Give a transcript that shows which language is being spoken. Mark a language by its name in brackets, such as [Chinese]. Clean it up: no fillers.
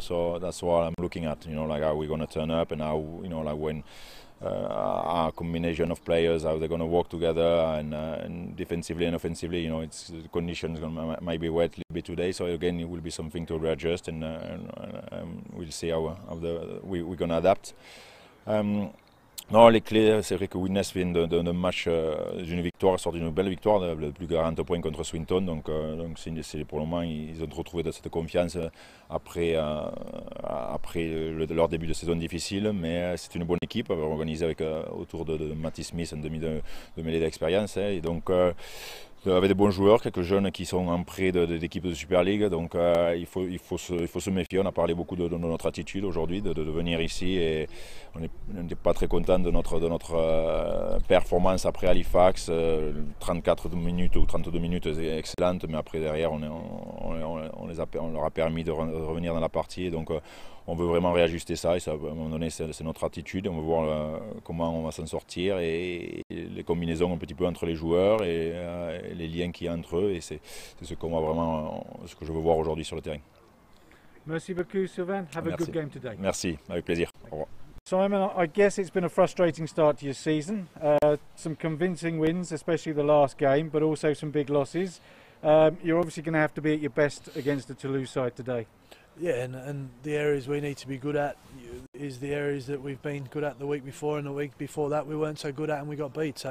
[English] So that's what I'm looking at, you know, like how we're going to turn up and how, you know, like when our combination of players, how they're going to work together, and defensively and offensively, you know, it's the conditions might be wet a little bit today, so again it will be something to readjust, and we'll see how we're going to adapt. [French] Non, les clés, c'est vrai que Widnes vient d'un match, d'une victoire, sort d'une belle victoire, le plus 40 points contre Swinton. Donc c'est pour le moment, ils ont retrouvé de cette confiance après leur début de saison difficile. Mais c'est une bonne équipe, organisée autour de Matty Smith, un demi de mêlée d'expérience. Hein, et donc, avec des bons joueurs, quelques jeunes qui sont en prêt d'équipes de Super League. Donc il faut se méfier. On a parlé beaucoup de notre attitude aujourd'hui, de venir ici. Et on n'est pas très content de notre performance après Halifax. 34 minutes ou 32 minutes, excellentes. Mais après, derrière, on leur a permis de revenir dans la partie. Et donc on veut vraiment réajuster ça. Et ça, à un moment donné, c'est notre attitude. On veut voir comment on va s'en sortir. Et les combinaisons un petit peu entre les joueurs. Les liens qu'il y a entre eux, et c'est ce qu'on voit vraiment, ce que je veux voir aujourd'hui sur le terrain. Merci beaucoup, Sylvain. [English] Have [French] Merci. [English] A good game today. [French] Merci, avec plaisir. Au revoir. [English] Simon, I guess it's been a frustrating start to your season. Some convincing wins, especially the last game, but also some big losses. You're obviously going to have to be at your best against the Toulouse side today. Yeah, and the areas we need to be good at is the areas that we've been good at the week before, and the week before that we weren't so good at, and we got beat.